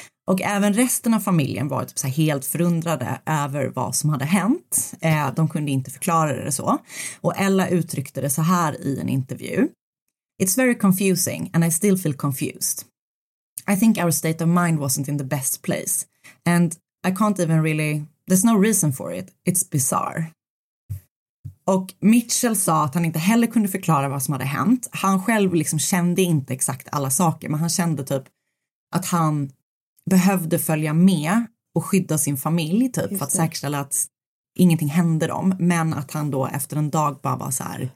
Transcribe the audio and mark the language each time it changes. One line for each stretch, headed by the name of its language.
Swedish: Och även resten av familjen var typ så här helt förundrade över vad som hade hänt. De kunde inte förklara det så, och Ella uttryckte det så här i en intervju:
English: it's very confusing and I still feel confused. I think our state of mind wasn't in the best place. And I can't even really... There's no reason for it. It's bizarre.
Swedish: Och Mitchell sa att han inte heller kunde förklara vad som hade hänt. Han själv liksom kände inte exakt alla saker, men han kände typ att han behövde följa med och skydda sin familj typ, för att säkerställa att ingenting hände dem. Men att han då efter en dag bara var så här...